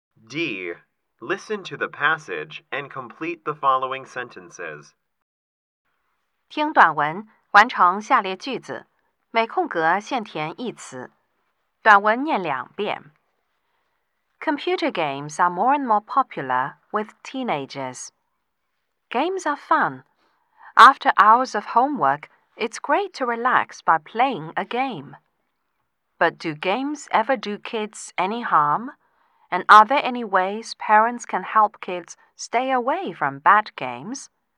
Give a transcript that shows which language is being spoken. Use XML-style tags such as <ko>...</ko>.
<en>4. Listen to the passage and complete the following sentences.</en> <zh>听短文，完成下列句子，每空格限填一词。短文念两遍。</zh> <en>Computer games are more and more popular with teenagers. Games are fun. After hours of homework, it's great to relax by playing a game. But do games ever do kids any harm? And are there any ways parents can help kids stay away from bad games?</en>